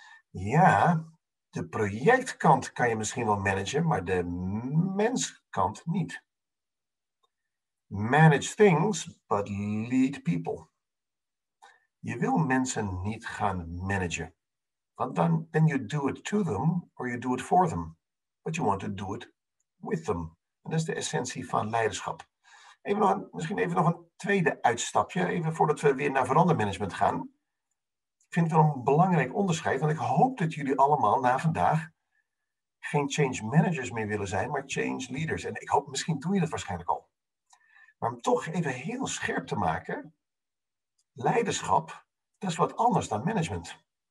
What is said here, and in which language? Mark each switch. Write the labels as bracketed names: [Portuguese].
[Dutch] Ja, de projectkant kan je misschien wel managen, maar de menskant niet. [English] Manage things, but lead people. [Dutch] Je wil mensen niet gaan managen. Want [English] then you do it to them or you do it for them. But you want to do it with them. [Dutch] En dat is de essentie van leiderschap. Misschien nog een tweede uitstapje, even voordat we weer naar verandermanagement gaan. Ik vind het wel een belangrijk onderscheid, want ik hoop dat jullie allemaal na vandaag geen change managers meer willen zijn, maar change leaders. En ik hoop, misschien doe je dat waarschijnlijk al. Maar om toch even heel scherp te maken, leiderschap, dat is wat anders dan management.